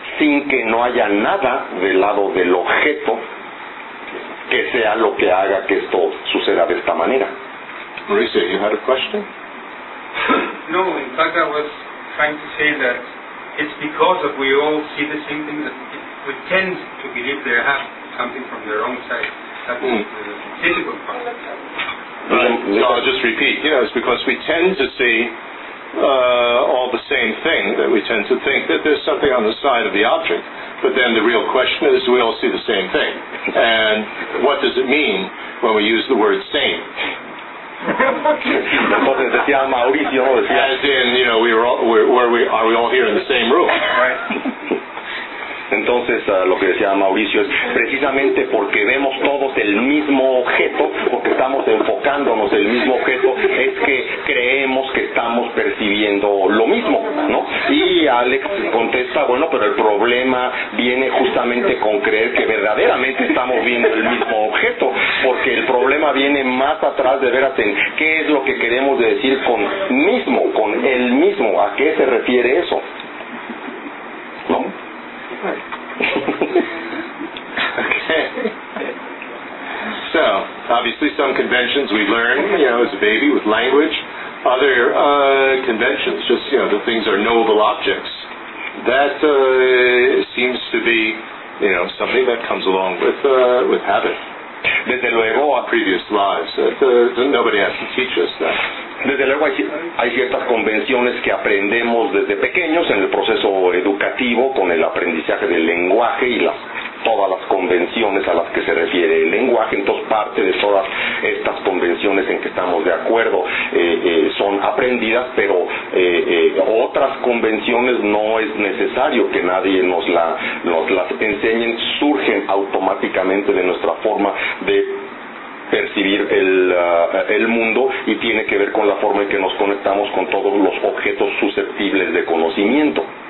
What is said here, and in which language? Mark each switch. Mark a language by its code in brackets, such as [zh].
[es] Sin que no haya nada del lado del objeto que sea lo que haga que esto suceda de esta manera. [en] Mauricio, you had a question? No, in fact, I was trying to say that it's because of we all see the same thing that we tend to believe they have something from the wrong side. So I'll just repeat. Yeah, it's because we tend to see all the same thing, that we tend to think that there's something on the side of the object. But then the real question is, we all see the same thing. And what does it mean when we use the word same? [es] Entonces decía Mauricio, decía, [en] as in, you know, are we all here in the same room? Right. [es] Entonces, lo que decía Mauricio es, precisamente porque vemos todos el mismo objeto, porque estamos enfocándonos en el mismo objeto, es que creemos que estamos percibiendo lo mismo, ¿no? Y Alex contesta, bueno, pero el problema viene justamente con creer que verdaderamente estamos viendo el mismo objeto, porque el problema viene más atrás de veras en qué es lo que queremos decir con mismo, con el mismo, ¿a qué se refiere eso? ¿No? [en] Okay. So, obviously some conventions we learn, you know, as a baby with language. Other conventions, just, you know, the things are knowable objects. That seems to be, you know, something that comes along with habit. [es] Desde luego, [en] our previous lives. Nobody has to teach us that. [es] Desde luego hay ciertas convenciones que aprendemos desde pequeños en el proceso educativo con el aprendizaje del lenguaje y todas las convenciones a las que se refiere el lenguaje. Entonces parte de todas estas convenciones en que estamos de acuerdo son aprendidas, pero otras convenciones no es necesario que nadie nos las enseñe, surgen automáticamente de nuestra forma de percibir el mundo y tiene que ver con la forma en que nos conectamos con todos los objetos susceptibles de conocimiento.